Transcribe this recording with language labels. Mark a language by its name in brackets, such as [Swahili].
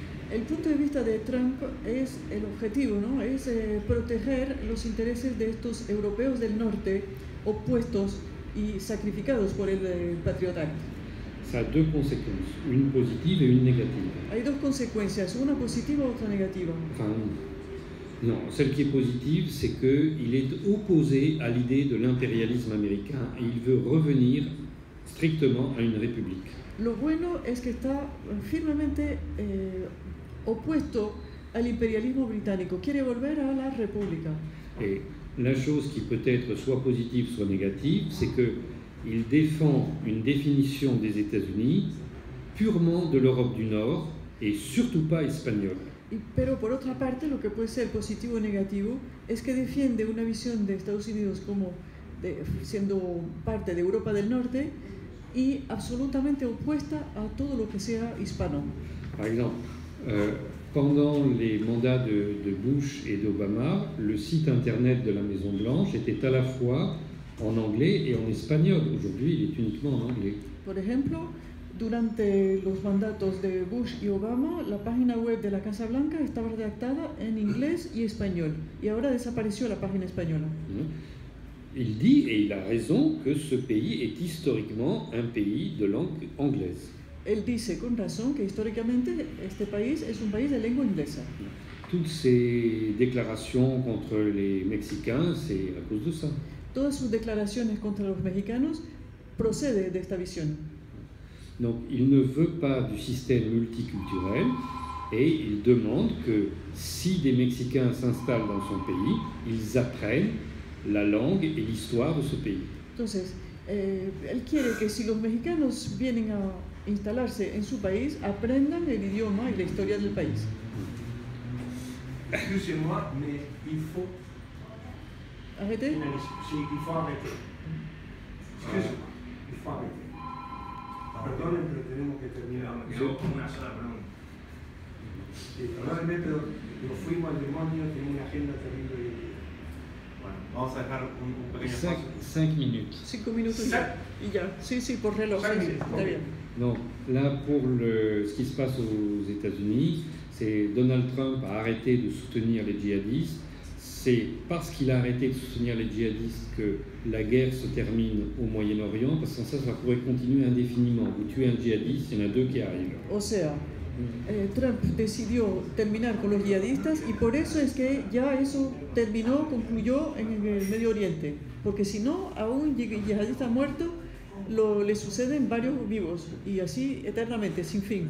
[Spanish] El punto de vista de Trump es el objetivo, ¿no? Es proteger los intereses de estos europeos del norte opuestos y sacrificados por el Patriot Act. [French] Ça a deux conséquences, une positive et une négative. [Spanish] Hay dos consecuencias, una positiva y otra negativa. [French] Enfin, non, celle qui est positive, c'est qu'il est opposé à l'idée de l'impérialisme américain et il veut revenir strictement à une république. [Spanish] Lo bueno es que está firmemente opuesto al imperialismo británico. Quiere volver a la república. [French] Et la chose qui peut être soit positive soit négative, c'est qu'il défend une définition des États-Unis purement de l'Europe du Nord et surtout pas espagnole. [Spanish] Pero por otra parte, lo que puede ser positivo o negativo es que defiende una visión de Estados Unidos como siendo parte de Europa del Norte y absolutamente opuesta a todo lo que sea hispano. [French] Par exemple, pendant les mandats de Bush et d'Obama, le site internet de la Maison Blanche était à la fois en anglais et en espagnol. Aujourd'hui, il est uniquement en anglais. [Spanish] Por ejemplo, durante los mandatos de Bush y Obama, la página web de la Casa Blanca estaba redactada en inglés y español, y ahora desapareció la página española. [French] Il dit et il a raison que ce pays est historiquement un pays de langue anglaise. [Spanish] Él dice con razón que históricamente este país es un país de lengua inglesa. [French] Toutes ces déclarations contre les Mexicains, c'est à cause de ça. [Spanish] Todas sus declaraciones contra los mexicanos procede de esta visión. [French] Donc il ne veut pas du système multiculturel et il demande que si des Mexicains s'installent dans son pays, ils apprennent la langue et l'histoire de ce pays. [Spanish] Entonces, él quiere que si los mexicanos vienen a instalarse en su país, aprendan el idioma y la historia del país. [French] Excusez-moi, mais il faut arrêter. Si, il faut arrêter. Excusez-moi, il faut arrêter. [Spanish] Perdonen, pero tenemos que terminar. Yo una sola pregunta. realmente, pero nos fuimos al demonio, tenía una agenda terrible. Y, bueno, vamos a dejar un pequeño espacio. Cinco minutos. Y ya. Sí, sí, por reloj. Sí, está bien. [French] Donc, là, pour ce qui se passe aux États-Unis, c'est Donald Trump a arrêté de soutenir les djihadistes. C'est parce qu'il a arrêté de soutenir les djihadistes que la guerre se termine au Moyen-Orient, parce que sans ça, ça pourrait continuer indéfiniment. Vous tuez un djihadiste, il y en a deux qui arrivent. [Spanish] O sea, Trump decidió terminar con los djihadistas y por eso es que ya eso terminó, concluyó en el Medio Oriente. Porque si no, a un djihadista muerto le suceden varios vivos y así eternamente, sin fin.